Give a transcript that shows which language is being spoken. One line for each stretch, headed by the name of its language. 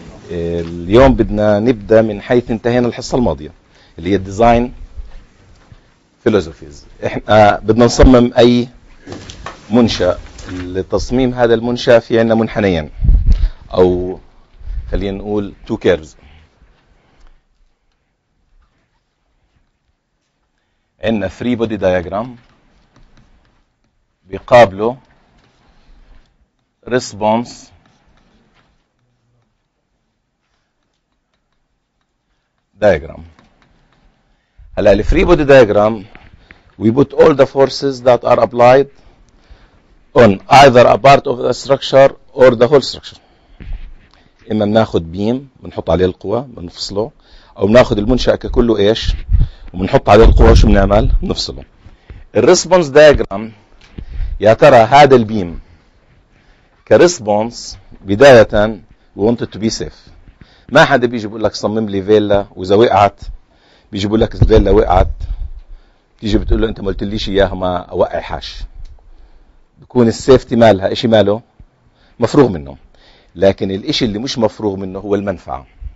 Arabic: اليوم بدنا نبدأ من حيث انتهينا الحصة الماضية اللي هي Design Philosophies. احنا بدنا نصمم اي منشأ. لتصميم هذا المنشأ في عنا منحنيين، او خلينا نقول
English: Two Curves.
Arabic: عنا Free Body Diagram بيقابله response diagram. هلا ال
English: free body diagram we put all the forces that are applied on either a part of the structure or the whole structure.
Arabic: اما بناخذ بيم بنحط عليه القوى بنفصله، او بناخذ المنشا ككله ايش وبنحط عليه القوى، شو بنعمل؟ بنفصله. ال response diagram يا ترى هذا البيم كريسبونس بداية
English: we want it to be safe.
Arabic: ما حدا بيجي بقول لك صمم لي فيلا وإذا وقعت، بيجي بقول لك الفيلا وقعت تيجي بتقول له أنت ما قلتليش إياها ما أوقع حاش. بكون السيفتي مالها إشي ماله؟ مفروغ منه. لكن الإشي اللي مش مفروغ منه هو المنفعة.